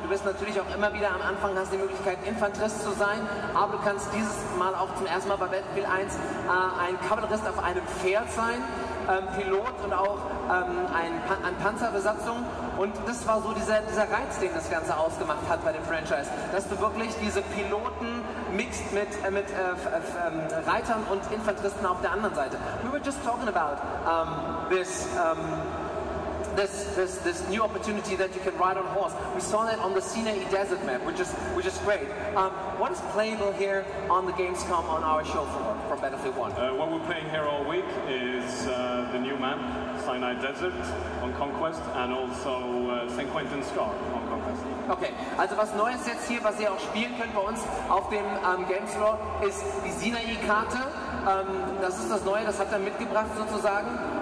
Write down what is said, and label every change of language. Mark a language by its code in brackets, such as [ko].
[de] Du bist natürlich auch immer wieder am Anfang, hast die Möglichkeit, Infanterist zu sein, aber du kannst dieses Mal auch zum ersten Mal bei Battlefield 1 ein Kavallerist auf einem Pferd sein, Pilot und auch ein Panzerbesatzung. Und das war so dieser Reiz, den das Ganze ausgemacht hat bei dem Franchise, dass du wirklich diese Piloten mixt mit Reitern und Infanteristen auf der anderen Seite. [en] We were just talking about this new opportunity that you can ride on horse. We saw that on the Sinai Desert map, which is great. What is playable here on the Gamescom on our show for Battlefield 1? What we're playing here all week is the new map, Sinai Desert on Conquest, and also St. Quentin Scar on Conquest. [de] Okay, also was Neues jetzt hier, was ihr auch spielen könnt bei uns auf dem Gamesfloor, ist die Sinai-Karte. Das ist das Neue, das hat er mitgebracht sozusagen.